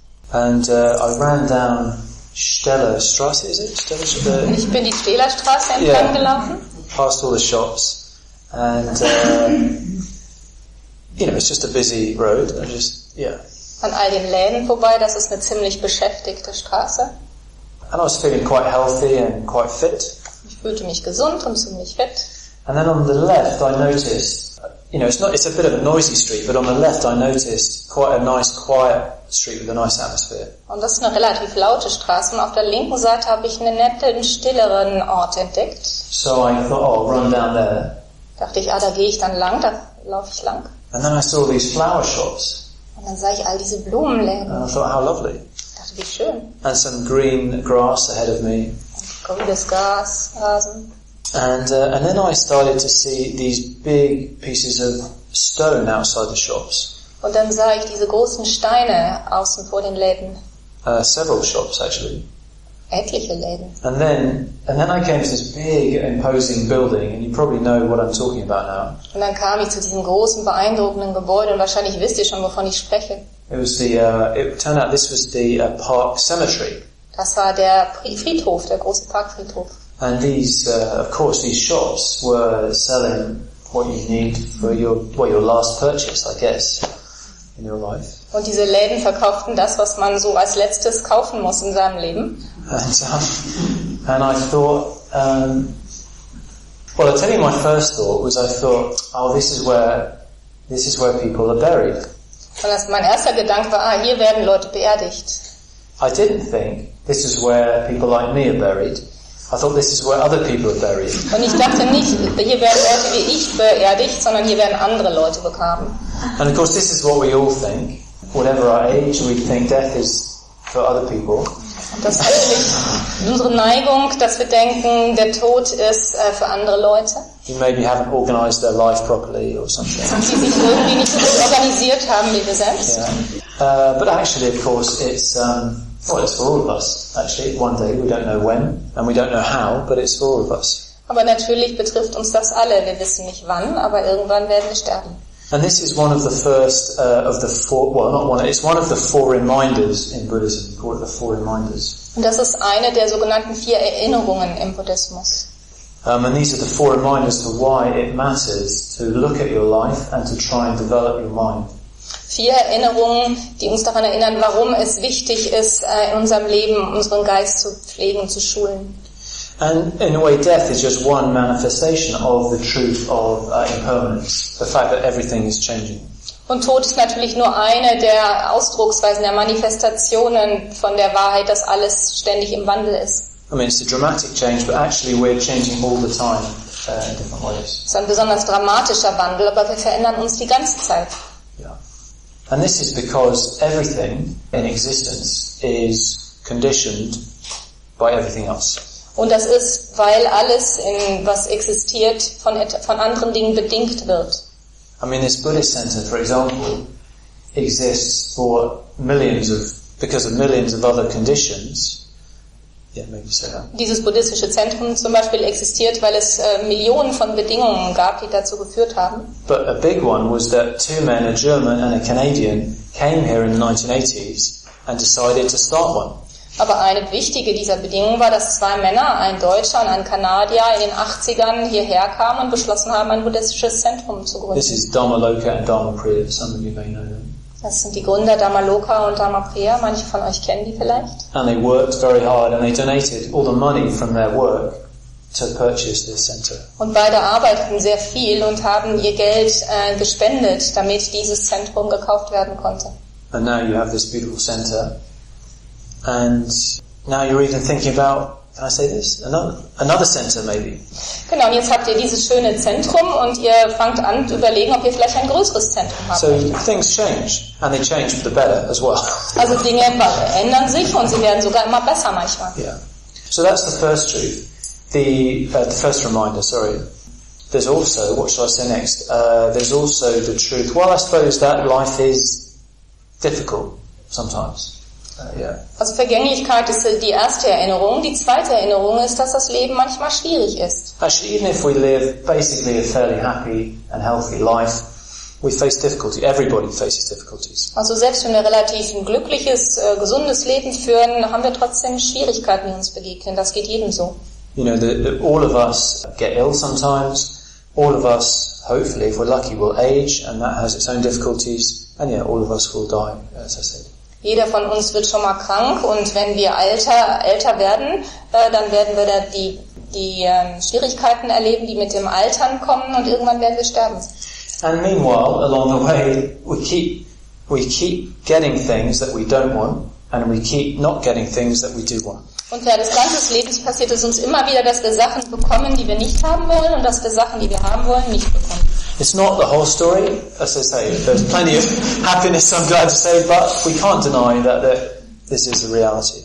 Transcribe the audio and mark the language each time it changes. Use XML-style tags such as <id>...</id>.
<en>And I ran down Steller Straße, is it?</en> <de>Ich bin die Steller Straße entlang gelaufen.</de> <en>Past all the shops. And, you know, it's just a busy road. I just,</en> <de>An all den Läden vorbei, das ist eine ziemlich beschäftigte Straße.</de> <en>And I was feeling quite healthy and quite fit.</en> <de>Ich fühlte mich gesund und ziemlich fit.</de> <en>And then on the left I noticed, you know, it's a bit of a noisy street, but on the left I noticed quite a nice quiet street with a nice atmosphere.</en> <de>Und das ist eine relativ laute Straße und auf der linken Seite habe ich einen netten, stilleren Ort entdeckt.</de> <en>So I thought, oh, I'll run down there.</en> <de>Dachte ich, ah, da gehe ich dann lang, da laufe ich lang.</de> <en>And then I saw these flower shops.</en> <de>Und dann sah ich all diese Blumenläden.</de> <en>And I thought, how lovely.</en> <de>Dachte, wie schön.</de> <en>And some green grass ahead of me.</en> <de>Grünes Gras, Rasen.</de> <en>And then I started to see these big pieces of stone outside the shops.</en> <de>Und dann sah ich diese großen Steine außen vor den Läden.</de> <en>Several shops, actually.</en> <de>Etliche Läden.</de> <en>And then I came to this big imposing building, and you probably know what I'm talking about now.</en> <de>Und dann kam ich zu diesem großen beeindruckenden Gebäude, und wahrscheinlich wisst ihr schon, wovon ich spreche.</de> <en>It was the. It turned out this was the park cemetery.</en> <de>Das war der Friedhof, der große Parkfriedhof.</de> <en>And these, of course, these shops were selling what you need for your, well, your last purchase, I guess, in your life.</en> <de>Und diese Läden verkauften das, was man so als letztes kaufen muss in seinem Leben.</de> <en>And I thought, I tell you, my first thought was, I thought, oh, this is where people are buried.</en> <de>Und das, mein erster Gedanke war, ah, hier werden Leute beerdigt.</de> <en>I didn't think this is where people like me are buried. I thought this is where other people are buried.</en> <de>Und ich dachte nicht, hier werden Leute wie ich beerdigt, sondern hier werden andere Leute begraben.</de> <en>And of course, this is what we all think. Whatever our age, we think death is for other people.</en> <de>Das ist eigentlich unsere Neigung, dass wir denken, der Tod ist für andere Leute.</de> <en>You maybe haven't organized their life properly or something.</en> <de>Und die sich irgendwie nicht so organisiert haben wie wir selbst.</de> <en>Yeah. But actually, of course, it's. Well, it's for all of us, actually. One day, we don't know when, and we don't know how, but it's for all of us.</en> <de>Aber natürlich betrifft uns das alle. Wir wissen nicht wann, aber irgendwann werden wir sterben.</de> <en>And this is one of the first of the four. Well, not one. It's one of the four reminders in Buddhism. We call it the four reminders.</en> <de>Und das ist eine der sogenannten vier Erinnerungen im Buddhismus.</de> <en>And these are the four reminders for why it matters to look at your life and to try and develop your mind.</en> <de>Vier Erinnerungen, die uns daran erinnern, warum es wichtig ist, in unserem Leben unseren Geist zu pflegen, zu schulen.</de> <en>And in a way, death is just one manifestation of the truth of impermanence, the fact that everything is changing.</en> <de>Und Tod ist natürlich nur eine der Ausdrucksweisen, der Manifestationen von der Wahrheit, dass alles ständig im Wandel ist.</de> <en>I mean, it's a dramatic change, but actually we're changing all the time in different ways.</en> <de>Es ist ein besonders dramatischer Wandel, aber wir verändern uns die ganze Zeit.</de> <en>And this is because everything in existence is conditioned by everything else.</en> <de>Und das ist, weil alles, in was existiert, von anderen Dingen bedingt wird.</de> <en>I mean, this Buddhist center, for example, exists for millions of, because of millions of other conditions. Yeah, maybe so.</en> <de>Dieses buddhistische Zentrum zum Beispiel existiert, weil es Millionen von Bedingungen gab, die dazu geführt haben.</de> <en>But a big one was that two men, a German and a Canadian, came here in the 1980s and decided to start one.</en> <de>Aber eine wichtige dieser Bedingungen war, dass zwei Männer, ein Deutscher und ein Kanadier, in den 80ern hierher kamen und beschlossen haben, ein buddhistisches Zentrum zu gründen.</de> <en>This is Dhammaloka and Dhammapriya. Some of you may know them.</en> <de>Das sind die Gründer Dhammaloka und Dhammapriya. Manche von euch kennen die vielleicht.</de> <en>And they worked very hard and they donated all the money from their work to purchase this center.</en> <de>Und beide arbeiteten sehr viel und haben ihr Geld gespendet, damit dieses Zentrum gekauft werden konnte.</de> <en>And now you have this beautiful center. And now you're even thinking about, can I say this? Another center maybe.</en> <de>Genau, und jetzt habt ihr dieses schöne Zentrum und ihr fangt an zu überlegen, ob ihr vielleicht ein größeres Zentrum habt.</de> <en>So things change, and they change for the better as well.</en> <de>Also Dinge ändern sich und sie werden sogar immer besser manchmal.</de> <en>Yeah. So that's the first truth. The first reminder, sorry. There's also, what shall I say next? There's also the truth. Well, I suppose that life is difficult sometimes.</en> <de>Also Vergänglichkeit ist die erste Erinnerung. Die zweite Erinnerung ist, dass das Leben manchmal schwierig ist.</de> <en>Actually, even if we live basically a fairly happy and healthy life, we face difficulty. Everybody faces difficulties.</en> <de>Also selbst wenn wir relativ ein glückliches, gesundes Leben führen, haben wir trotzdem Schwierigkeiten, die uns begegnen. Das geht jedem so.</de> <en>You know, all of us get ill sometimes. All of us, hopefully, if we're lucky, will age, and that has its own difficulties. And yeah, all of us will die, as I said.</en> <de>Jeder von uns wird schon mal krank, und wenn wir älter werden, dann werden wir da die Schwierigkeiten erleben, die mit dem Altern kommen, und irgendwann werden wir sterben.</de> <en>And meanwhile, along the way, we keep getting things that we don't want, and we keep not getting things that we do want.</en> <de>Und während des ganzen Lebens passiert es uns immer wieder, dass wir Sachen bekommen, die wir nicht haben wollen, und dass wir Sachen, die wir haben wollen, nicht bekommen.</de> <en>It's not the whole story, as I say. There's plenty of happiness, I'm glad to say, but we can't deny that this is a reality.</en>